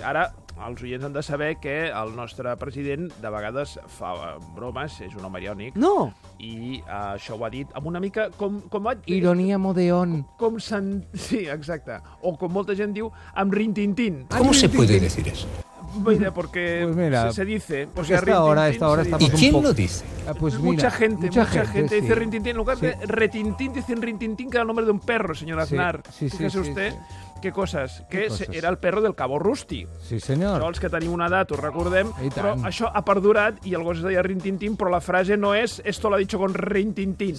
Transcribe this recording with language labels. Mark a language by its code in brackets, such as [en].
[ca] Ara, els oients han de saber que el nostre president de vegades fa bromes, és un home irònic. No! I això ho ha dit amb una mica com va... Ironia modeón. Sí, exacte. O com molta gent diu, amb rintintint. [es] ¿Cómo se puede decir eso? Mira, porque pues mira, se dice... O sea, esta hora estamos un poco... ¿Y quién lo dice? Pues mira, mucha gente dice sí. Rintintín. En lugar de retintín, dicen rintintín, que era el nombre de un perro, señor Aznar. Sí, fíjese usted. Qué cosas. Que era el perro del Cabo Rusty. Sí, señor. [ca] Això, els que tenim una edat, ho recordem. Oh, però això ha perdurat i el gos es deia rintintín, però la frase no és [es] esto lo ha dicho con rintintín.